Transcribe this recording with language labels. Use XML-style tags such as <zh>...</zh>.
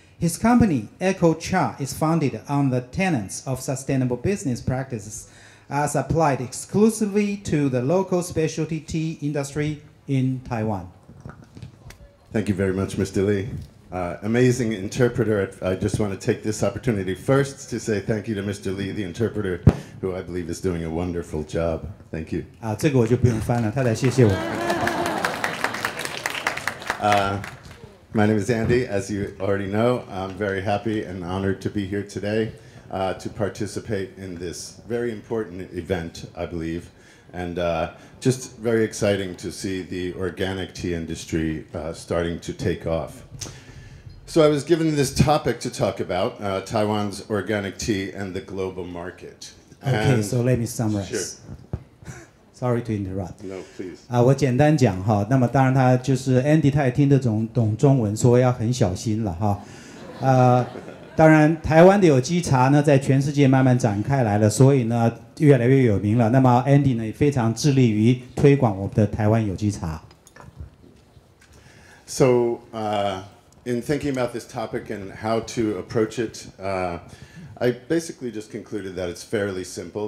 <en>His company, EcoCha, is founded on the tenets of sustainable business practices as applied exclusively to the local specialty tea industry in Taiwan. Thank you very much, Mr. Lee. Amazing interpreter. I just want to take this opportunity first to say thank you to Mr. Lee, the interpreter, who I believe is doing a wonderful job. Thank you.</en> <zh>这个我就不用翻了，他来谢谢我。</zh> <en>My name is Andy. As you already know, I'm very happy and honored to be here today to participate in this very important event, I believe. And just very exciting to see the organic tea industry starting to take off. So I was given this topic to talk about, Taiwan's organic tea and the global market. Okay, so let me summarize. Sure. Sorry to interrupt. No, please.</en> <zh>我简单讲哈，那么当然他就是 Andy， 他也听得懂中文，所以要很小心了哈。当然台湾的有机茶呢，在全世界慢慢展开来了，所以呢越来越有名了。那么 Andy 呢，也非常致力于推广我们的台湾有机茶。</zh> <en>So, in thinking about this topic and how to approach it, I basically just concluded that it's fairly simple.</en>